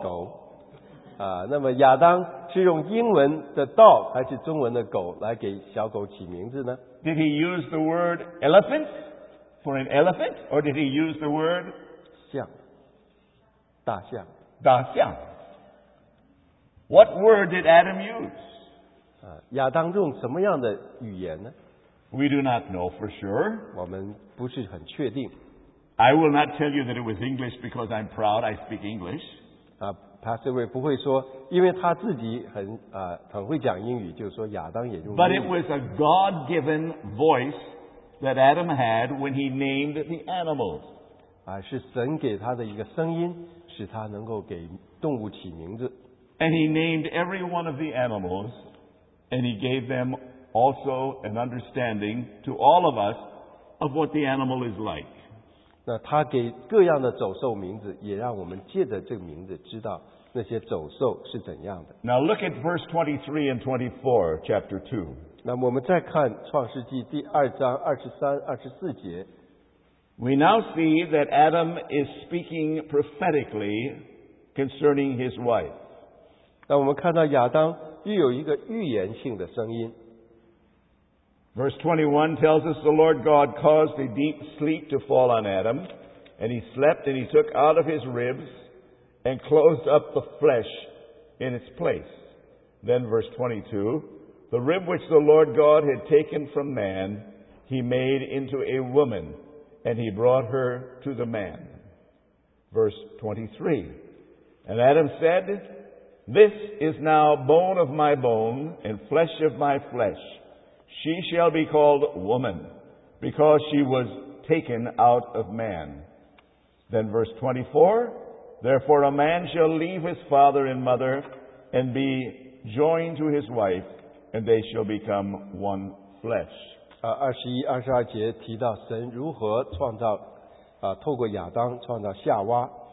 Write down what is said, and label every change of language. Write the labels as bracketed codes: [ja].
[zh] Go. 那么亚当是用英文的 dog 还是中文的狗来给小狗起名字呢？ [en] Did he use the word elephant for an elephant, or did he use the word [zh] 象？大象。 [en] 大象。What word did Adam use? [zh] 亚当用什么样的语言呢？ [en] We do not know for sure. [zh] 我们不是很确定。 [en] I will not tell you that it was English because I'm proud I speak English. [zh] Pastor Ray 不会说，因为他自己很会讲英语，就是说亚当也用英语。 [en] But it was a God-given voice that Adam had when he named the animals. [zh] 是神给他的一个声音，使他能够给动物起名字。 [en] And he named every one of the animals, and he gave them also an understanding to all of us of what the animal is like. [zh] 那他给各样的走兽名字，也让我们借着这个名字知道那些走兽是怎样的。 [en] Now look at verse 23 and 24, chapter 2. [zh] 那我们再看创世纪第二章二十三、二十四节。 [en] We now see that Adam is speaking prophetically concerning his wife. [zh] 那我们看到亚当又有一个预言性的声音。 [en] Verse 21 tells us the Lord God caused a deep sleep to fall on Adam, and he slept and he took out of his ribs and closed up the flesh in its place. Then verse 22, the rib which the Lord God had taken from man, he made into a woman, and he brought her to the man. Verse 23, and Adam said, this is now bone of my bone and flesh of my flesh. She shall be called woman, because she was taken out of man. Then verse 24, therefore a man shall leave his father and mother and be joined to his wife, and they shall become one flesh. [zh] 21、22节提到神如何创造，透过亚当创造夏娃。